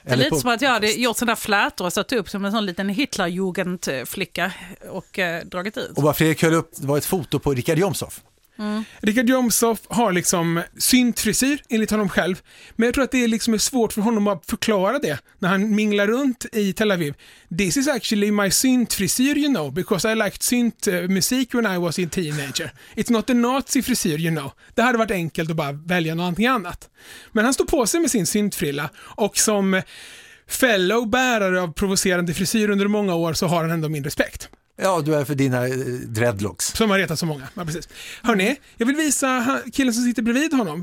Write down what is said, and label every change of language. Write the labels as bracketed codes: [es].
[sv] Det är eller lite som att jag hade gjort sådana flätor och satt upp som en sån liten Hitlerjugendflicka och dragit ut. Och vad Fredrik höll upp var ett foto på Richard Jomshof. Richard Jomshof har liksom syntfrisyr enligt honom själv, men jag tror att det liksom är svårt för honom att förklara det när han minglar runt i Tel Aviv. [en] This is actually my syntfrisyr, you know, because I liked synt musik when I was a teenager. It's not a Nazi frisyr, you know. [sv] Det hade varit enkelt att bara välja någonting annat. Men han står på sig med sin syntfrilla och som fellow bärare av provocerande frisyr under många år så har han ändå min respekt. Ja, du är för dina dreadlocks. Som har retat så många. Ja, precis. Hörrni, jag vill visa killen som sitter bredvid honom.